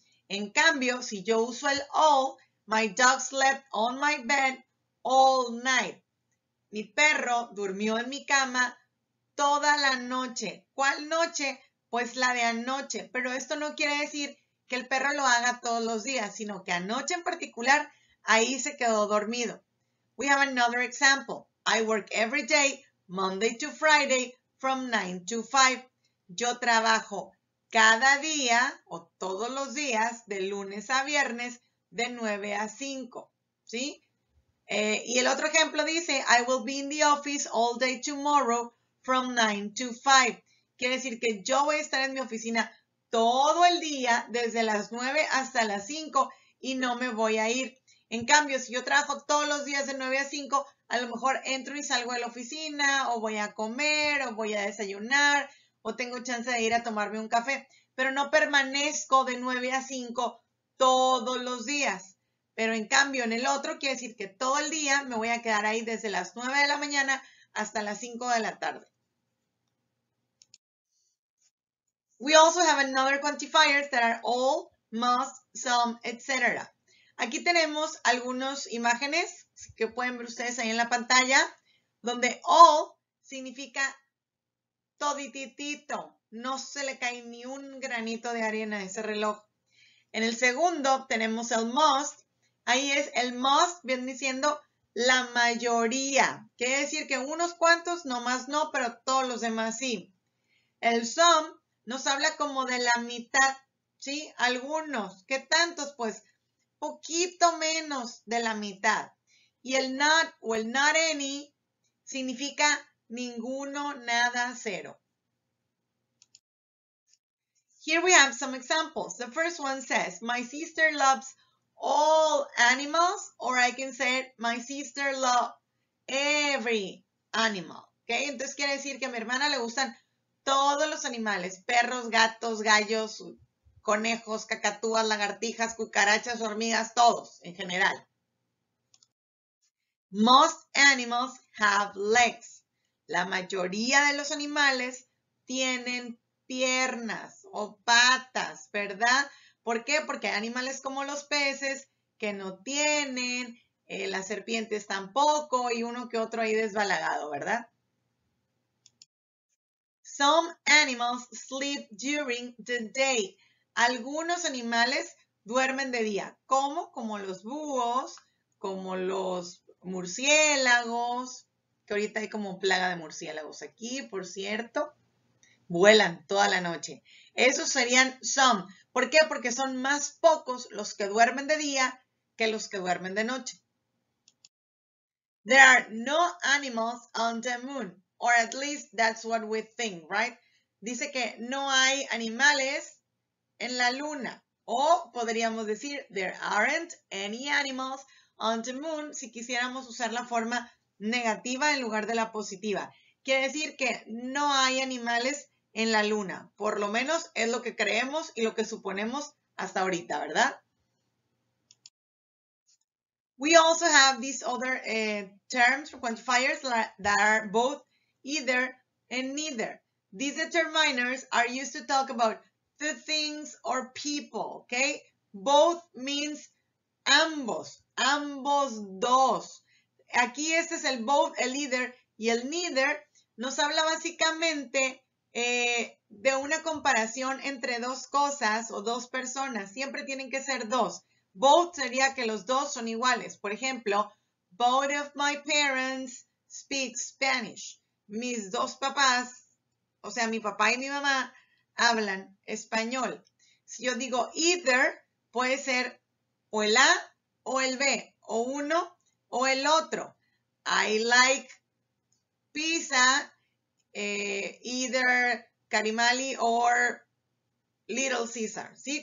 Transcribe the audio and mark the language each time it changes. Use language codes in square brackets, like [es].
[es] En cambio, si yo uso el [en] all, my dog slept on my bed all night. [es] Mi perro durmió en mi cama toda la noche. ¿Cuál noche? Pues la de anoche. Pero esto no quiere decir que el perro lo haga todos los días, sino que anoche en particular, ahí se quedó dormido. [en] We have another example. I work every day, Monday to Friday, from 9 to 5. [es] Yo trabajo cada día o todos los días, de lunes a viernes, de 9 a 5. ¿Sí? Y el otro ejemplo dice, [en] I will be in the office all day tomorrow from 9 to 5. [es] Quiere decir que yo voy a estar en mi oficina todo el día, desde las 9 hasta las 5, y no me voy a ir. En cambio, si yo trabajo todos los días de 9 a 5, a lo mejor entro y salgo de la oficina, o voy a comer, o voy a desayunar, o tengo chance de ir a tomarme un café. Pero no permanezco de 9 a 5 todos los días. Pero en cambio, en el otro, quiere decir que todo el día me voy a quedar ahí desde las 9 de la mañana hasta las 5 de la tarde. [en] We also have another quantifiers that are all, must, some, etc. [es] Aquí tenemos algunas imágenes que pueden ver ustedes ahí en la pantalla, donde all significa todititito. No se le cae ni un granito de arena a ese reloj. En el segundo tenemos el must. Ahí es el must, viene diciendo la mayoría. Quiere decir que unos cuantos, nomás no, pero todos los demás sí. El some nos habla como de la mitad, ¿sí? Algunos. ¿Qué tantos? Pues poquito menos de la mitad. Y el not o el not any significa ninguno, nada, cero. [en] Here we have some examples. The first one says, my sister loves all animals, or I can say, my sister loves every animal. [es] ¿Okay? Entonces quiere decir que a mi hermana le gustan todos los animales, perros, gatos, gallos, conejos, cacatúas, lagartijas, cucarachas, hormigas, todos en general. [en] Most animals have legs. [es] La mayoría de los animales tienen piernas o patas, ¿verdad? ¿Por qué? Porque hay animales como los peces que no tienen, las serpientes tampoco y uno que otro ahí desbalagado, ¿verdad? [en] Some animals sleep during the day. [es] Algunos animales duermen de día. ¿Cómo? Como los búhos, como los murciélagos, que ahorita hay como plaga de murciélagos aquí, por cierto. Vuelan toda la noche. Esos serían some. ¿Por qué? Porque son más pocos los que duermen de día que los que duermen de noche. [en] There are no animals on the moon. Or at least that's what we think, right? [es] Dice que no hay animales en la luna. O podríamos decir, [en] there aren't any animals on the moon, [es] si quisiéramos usar la forma negativa en lugar de la positiva. Quiere decir que no hay animales en la luna, por lo menos es lo que creemos y lo que suponemos hasta ahorita, ¿verdad? [en] We also have these other terms or quantifiers that are both either and neither. These determiners are used to talk about the things or people, okay? Both means ambos, ambos dos. [es] Aquí este es el both, el either y el neither. Nos habla básicamente de una comparación entre dos cosas o dos personas. Siempre tienen que ser dos. Both sería que los dos son iguales. Por ejemplo, [en] both of my parents speak Spanish. [es] Mis dos papás, o sea, mi papá y mi mamá, hablan español. Si yo digo either, puede ser o el A o el B, o uno o el otro. [en] I like pizza, either Carimali or Little Caesar, ¿sí?